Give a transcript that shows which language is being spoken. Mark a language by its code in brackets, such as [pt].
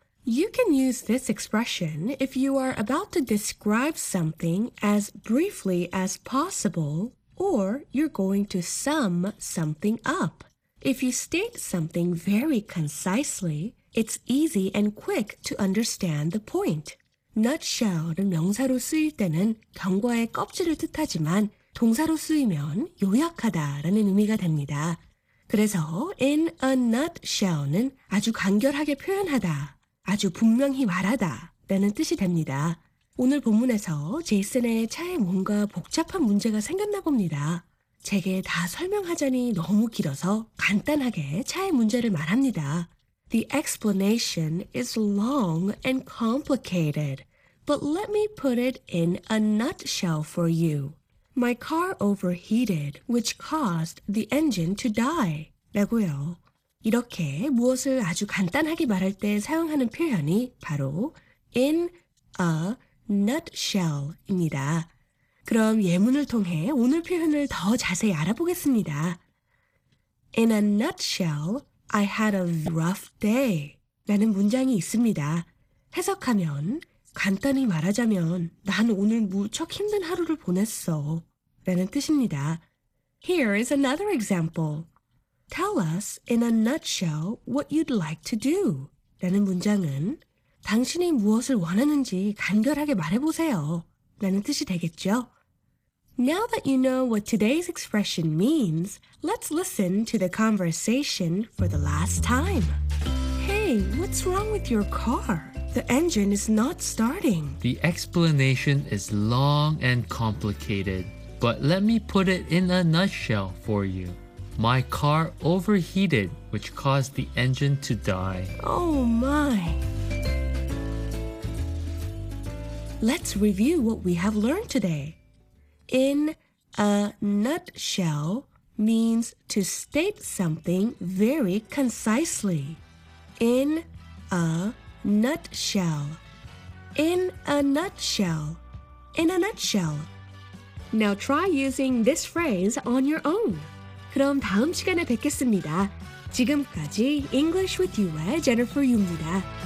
[en] You can use this expression if you are about to describe something as briefly as possible, or you're going to sum something up. If you state something very concisely, It's easy and quick to understand the point. [ko] Nutshell을 명사로 쓰일 때는 경과의 껍질을 뜻하지만 동사로 쓰이면 요약하다라는 의미가 됩니다. 그래서 in a nutshell는 아주 간결하게 표현하다, 아주 분명히 말하다 라는 뜻이 됩니다. 오늘 본문에서 제이슨의 차에 뭔가 복잡한 문제가 생겼나 봅니다. 제게 다 설명하자니 너무 길어서 간단하게 차의 문제를 말합니다. [en] The explanation is long and complicated, but let me put it in a nutshell for you. My car overheated, which caused the engine to die. [ko] 라고요. 이렇게 무엇을 아주 간단하게 말할 때 사용하는 표현이 바로 in a nutshell입니다. 그럼 예문을 통해 오늘 표현을 더 자세히 알아보겠습니다. [en] In a nutshell, I had a rough day [ko] 라는 문장이 있습니다. 해석하면 간단히 말하자면 난 오늘 무척 힘든 하루를 보냈어 라는 뜻입니다. [en] Here is another example. Tell us in a nutshell what you'd like to do [ko] 라는 문장은 당신이 무엇을 원하는지 간결하게 말해보세요 라는 뜻이 되겠죠. [en] Now that you know what today's expression means, let's listen to the conversation for the last time. Hey, what's wrong with your car? The engine is not starting. The explanation is long and complicated, but let me put it in a nutshell for you. My car overheated, which caused the engine to die. Oh my! Let's review what we have learned today. In a nutshell means to state something very concisely. In a nutshell. In a nutshell. In a nutshell. Now try using this phrase on your own. [ko] 그럼 다음 시간에 뵙겠습니다. 지금까지 English with You의 Jennifer Yu입니다.